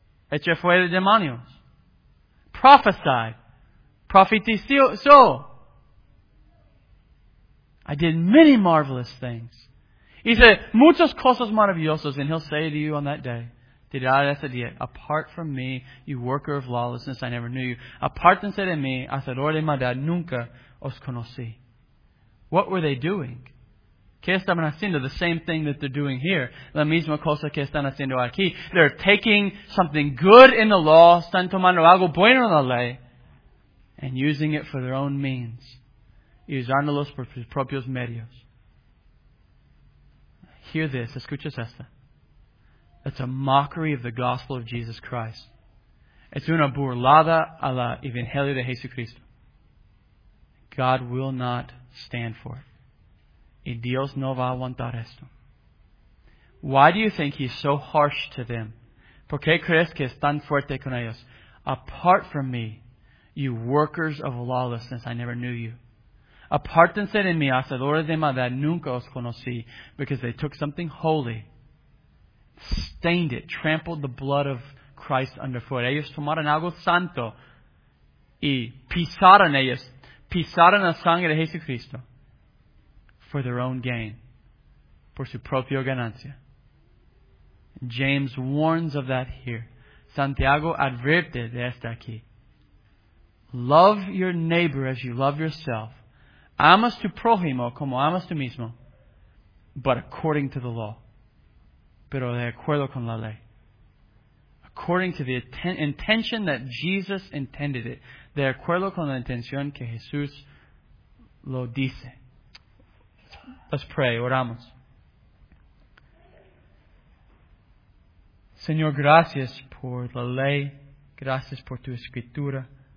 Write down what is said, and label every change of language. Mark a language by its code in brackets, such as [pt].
[es] Eché fuera demonios. [en] Prophesied. [es] Profetizó. [en] I did many marvelous things. [es] Hice muchas cosas maravillosas. [en] And he'll say to you on that day, [es] tirar ese día, [en] apart from me, you worker of lawlessness, I never knew you. [es] Apartense de mí, hacedor de maldad, nunca os conocí. [en] What were they doing? [es] ¿Qué estaban haciendo? [en] The same thing that they're doing here. [es] La misma cosa que están haciendo aquí. [en] They're taking something good in the law, [es] están tomando algo bueno en la ley, [en] and using it for their own means. [es] Y usándolos por sus propios medios. [en] Hear this. [es] Escuchas esta. [en] It's a mockery of the gospel of Jesus Christ. [es] Es una burlada a la Evangelio de Jesucristo. [en] God will not stand for it. [es] Y Dios no va a aguantar esto. [en] Why do you think He's so harsh to them? [es] ¿Por qué crees que es tan fuerte con ellos? [en] Apart from me, you workers of lawlessness, I never knew you. [es] Apartense de mí, hacedores de maldad, nunca os conocí, [en] because they took something holy, stained it, trampled the blood of Christ underfoot. [es] Ellos tomaron algo santo y pisaron ellos, pisaron la sangre de Jesucristo [en] for their own gain, [es] por su propia ganancia. [en] James warns of that here. [es] Santiago advierte de esta aquí. [en] Love your neighbor as you love yourself. [es] Amas tu prójimo como amas tú mismo, [en] but according to the law. [es] Pero de acuerdo con la ley. [en] According to the intention that Jesus intended it. [es] De acuerdo con la intención que Jesús lo dice. [en] Let's pray. [es] Oramos. Señor, gracias por la ley. Gracias por tu escritura.